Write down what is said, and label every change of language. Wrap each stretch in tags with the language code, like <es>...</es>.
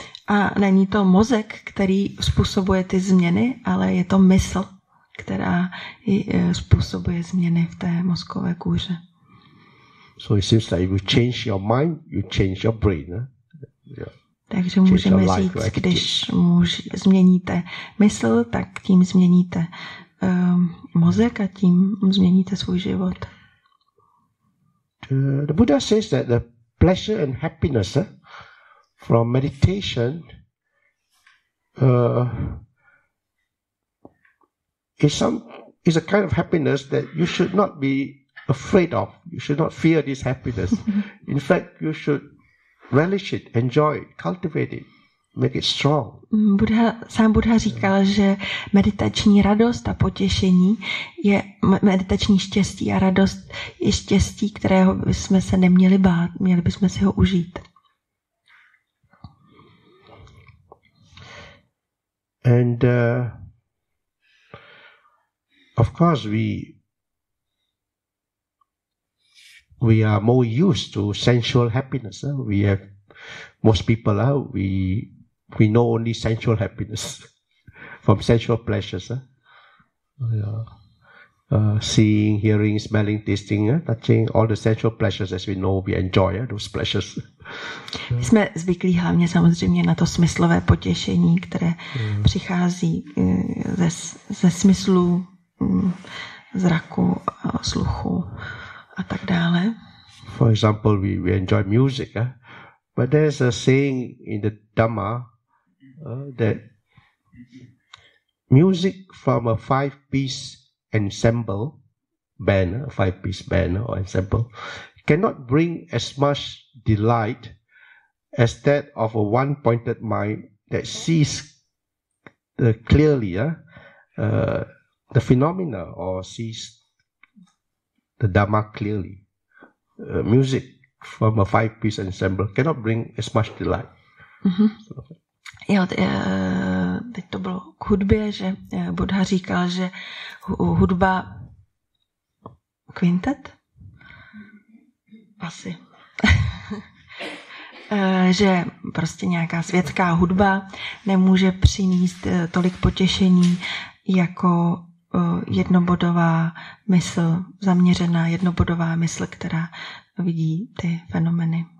<cs>A není to mozek, který způsobuje ty změny, ale je to mysl, která způsobuje změny v té mozkové kůře.</cs> <en>So it seems like if you change your mind, you change your brain.</en> <cs>Takže můžeme říct, když změníte mysl, tak tím změníte mozek a tím změníte svůj život.</cs> <en>The Buddha says that the pleasure and happiness from meditation is a kind of happiness that you should not be afraid of. You should not fear this happiness. In fact, you should relish it, enjoy it, cultivate it, make it strong.</en> <cs>Sám Buddha říkal, že meditační radost a potěšení je meditační štěstí a radost je štěstí, kterého bychom se neměli bát, měli bychom si ho užít.</cs> <en>And of course we are more used to sensual happiness. We have most people we know only sensual happiness from sensual pleasures. Seeing, hearing, smelling, tasting, touching, all the sensual pleasures as we know we enjoy those pleasures.</en> <cs>My jsme zvyklí hlavně samozřejmě na to smyslové potěšení, které přichází ze smyslu, zraku, sluchu a tak dále.</cs> <en>For example, we enjoy music. But there's a saying in the Dhamma that music from a five-piece ensemble band, a five-piece band or ensemble, cannot bring as much delight as that of a one-pointed mind that sees clearly the phenomena or sees the Dharma clearly. Music from a five-piece ensemble cannot bring as much delight. Mm-hmm.</en> <cs>Jo, teď to bylo k hudbě, že Buddha říkal, že hudba kvintet? Asi. Že prostě nějaká světská hudba nemůže přinést tolik potěšení jako jednobodová mysl, zaměřená jednobodová mysl, která vidí ty fenomény.</cs>